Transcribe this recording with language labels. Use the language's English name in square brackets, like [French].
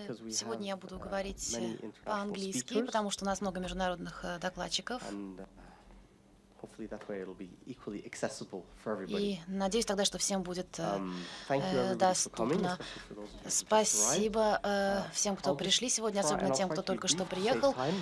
[Russian] Сегодня я буду говорить по-английски, потому что у нас много международных докладчиков. [English] Hopefully that way it'll be equally accessible for everybody. [Russian] И надеюсь тогда, что всем будет доступно. Спасибо всем, кто пришли сегодня, особенно тем, кто только что приехал.